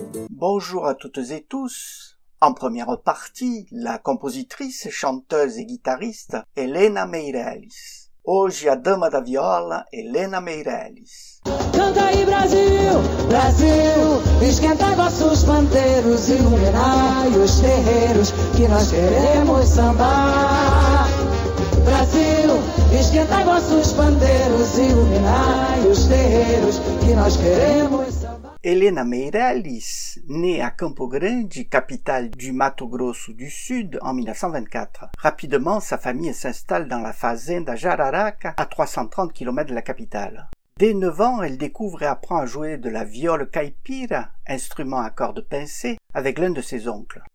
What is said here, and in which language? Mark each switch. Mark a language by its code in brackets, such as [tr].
[fr] Bonjour à toutes et tous. En première partie, la compositrice, chanteuse et guitariste Helena Meirelles. [pt] Hoje a dama da viola, Helena Meirelles. Canta aí Brasil, Brasil, esquenta vossos panteiros, iluminai os terreiros que nós queremos sambar. Brasil, esquenta vossos panteiros, iluminai os terreiros que nós queremos sambar. [fr] Helena Meirelles, née à Campo Grande, capitale du Mato Grosso du Sud, en 1924. Rapidement, sa famille s'installe dans la fazenda Jararaca, à 330 km de la capitale. Dès 9 ans, elle découvre et apprend à jouer de la viole caipira, instrument à cordes pincées, avec l'un de ses oncles.